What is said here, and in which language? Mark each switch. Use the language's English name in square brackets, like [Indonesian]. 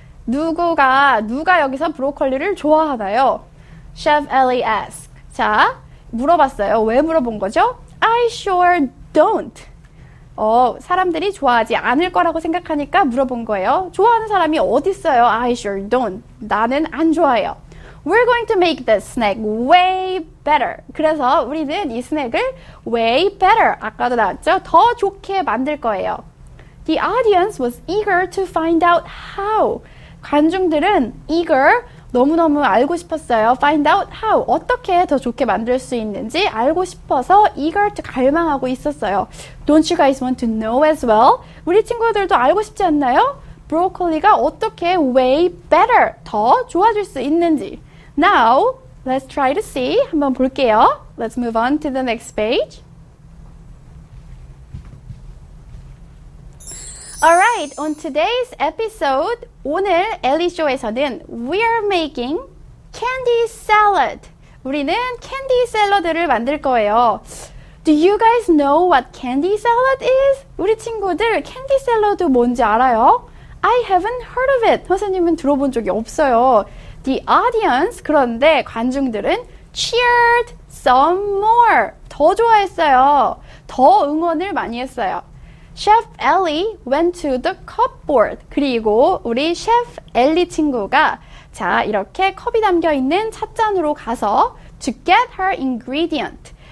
[Korean] 누가 여기서 브로콜리를 좋아하나요? [English] Chef Ellie asked. [Korean] 자, 물어봤어요. 왜 물어본 거죠? [English] I sure don't. [Korean] 사람들이 좋아하지 않을 거라고 생각하니까 물어본 거예요. 좋아하는 사람이 어디 있어요? [English] I sure don't. [Korean] 나는 안 좋아해요. [English] We're going to make this snack way better. [Korean] 그래서 우리는 이 스낵을 [English] way better. [Korean] 아까도 나왔죠? 더 좋게 만들 거예요. [English] The audience was eager to find out how. [Korean] 관중들은 eager, 너무너무 알고 싶었어요. [English] Find out how. [Korean] 어떻게 더 좋게 만들 수 있는지 알고 싶어서 eager to 갈망하고 있었어요. [English] Don't you guys want to know as well? [Korean] 우리 친구들도 알고 싶지 않나요? 브로콜리가 어떻게 [English] way better, [Korean] 더 좋아질 수 있는지. [English] Now, let's try to see. [Korean] 한번 볼게요. [English] Let's move on to the next page. Alright, on today's episode, [Korean] 오늘 엘리쇼에서는 [English] we are making candy salad. [Korean] 우리는 candy salad를 만들 거예요. [English] Do you guys know what candy salad is? [Korean] 우리 친구들 candy salad 뭔지 알아요? [English] I haven't heard of it. [Korean] 선생님은 들어본 적이 없어요. [English] The audience, [Korean] 그런데 관중들은 [English] cheered some more. [Korean] 더 좋아했어요. 더 응원을 많이 했어요. [English] Chef Ellie went to the cupboard. [Korean] 그리고 우리 Chef Ellie 친구가 자, 이렇게 컵이 담겨있는 찻잔으로 가서 [English] to get her ingredient.